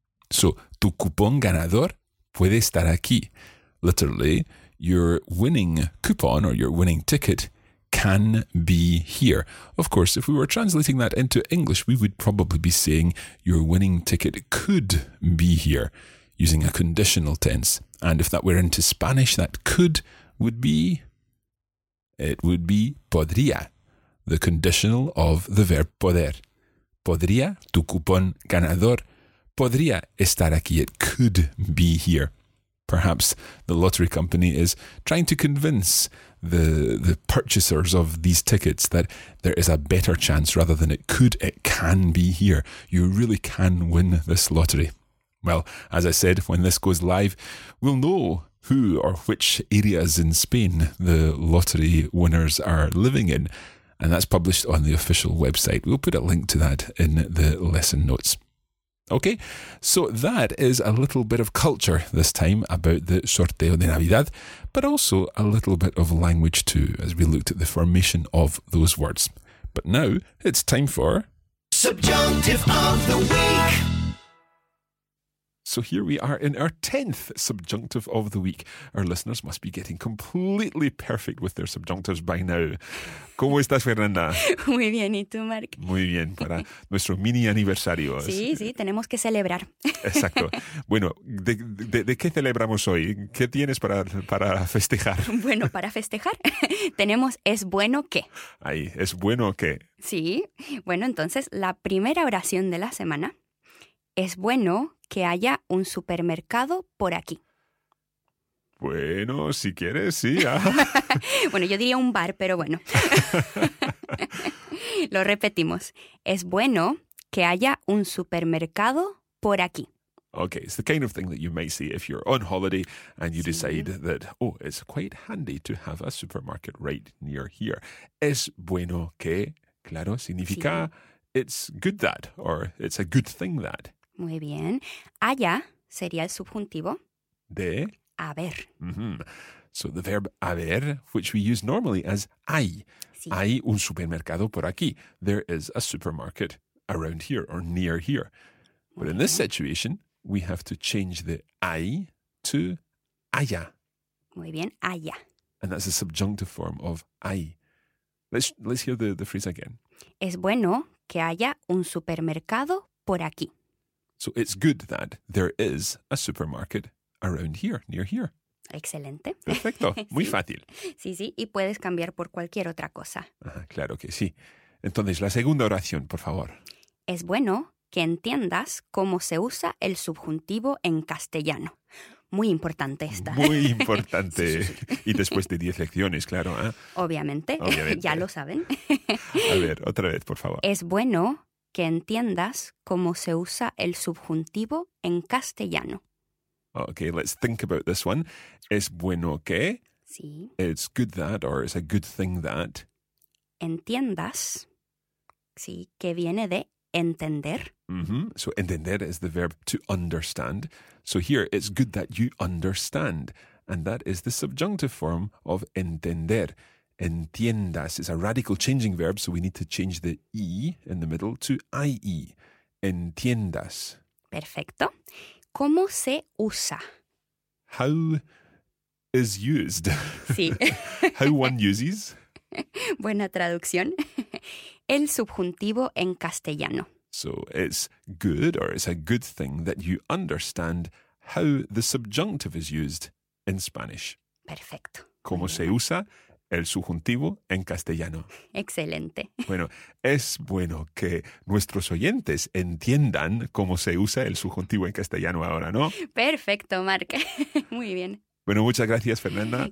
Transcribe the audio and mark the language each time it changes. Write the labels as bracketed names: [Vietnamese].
[Spanish] So, tu cupón ganador puede estar aquí. [English] Literally, your winning coupon or your winning ticket can be here. Of course, if we were translating that into English, we would probably be saying your winning ticket could be here, using a conditional tense. And if that were into Spanish, that could would be, it would be podría, the conditional of the verb poder. [Spanish] Podría, tu cupón ganador, podría estar aquí, [English] it could be here. Perhaps the lottery company is trying to convince the purchasers of these tickets that there is a better chance rather than it could, it can be here. You really can win this lottery. Well, as I said, when this goes live, we'll know who or which areas in Spain the lottery winners are living in. And that's published on the official website. We'll put a link to that in the lesson notes. Okay, so that is a little bit of culture this time about the sorteo de Navidad, but also a little bit of language too, as we looked at the formation of those words. But now it's time for... Subjunctive of the Week! So here we are in our 10th subjunctive of the week. Our listeners must be getting completely perfect with their subjunctives by now. [Spanish] ¿Cómo estás, Fernanda? Muy bien, ¿y tú, Mark? Muy bien, para nuestro mini aniversario. Sí, tenemos que celebrar. Exacto. Bueno, ¿de qué celebramos hoy? ¿Qué tienes para festejar? Bueno, para festejar tenemos es bueno que. Ahí, ¿es bueno que? Sí. Bueno, entonces la primera oración de la semana es bueno que haya un supermercado por aquí. Bueno, si quieres, sí. ¿Ah? Bueno, yo diría un bar, pero bueno. Lo repetimos. Es bueno que haya un supermercado por aquí. [English] Okay, it's the kind of thing that you may see if you're on holiday and you decide that, oh, it's quite handy to have a supermarket right near here. [Spanish] Es bueno que, claro, significa [English] it's good that or it's a good thing that. [Spanish] Muy bien. Haya sería el subjuntivo. De. Haber. Mm-hmm. [English] So the verb haber, which we use normally as hay. [Spanish] Sí. Hay un supermercado por aquí. [English] There is a supermarket around here or near here. But in this situation, we have to change the hay to haya. [Spanish] Muy bien. Haya. [English] And that's a subjunctive form of hay. Let's hear the phrase again. [Spanish] Es bueno que haya un supermercado por aquí. [English] So it's good that there is a supermarket around here, near here. [Spanish] Excelente. Perfecto. Muy fácil. Sí, sí. Y puedes cambiar por cualquier otra cosa. Ah, claro que sí. Entonces, la segunda oración, por favor. Es bueno que entiendas cómo se usa el subjuntivo en castellano. Muy importante esta. Muy importante. Sí. Y después de 10 lecciones, claro. ¿Eh? Obviamente. Ya lo saben. A ver, otra vez, por favor. Es bueno que entiendas cómo se usa el subjuntivo en castellano. [English] Okay, let's think about this one. [Spanish] Es bueno que. Sí. [English] It's good that or it's a good thing that. [Spanish] Entiendas. Sí, que viene de entender. Mm-hmm. [English] So entender is the verb to understand. So here it's good that you understand. And that is the subjunctive form of entender. Entiendas is a radical changing verb, so we need to change the I in the middle to IE. [Spanish] Entiendas. Perfecto. ¿Cómo se usa? [English] How is used. [Spanish] Sí. [English] How one uses. [Spanish] Buena traducción. El subjuntivo en castellano. [English] So it's good or it's a good thing that you understand how the subjunctive is used in Spanish. [Spanish] Perfecto. ¿Cómo se usa? El subjuntivo en castellano. Excelente. Bueno, es bueno que nuestros oyentes entiendan cómo se usa el subjuntivo en castellano ahora, ¿no? Perfecto, Mark. Muy bien. Bueno, muchas gracias, Fernanda.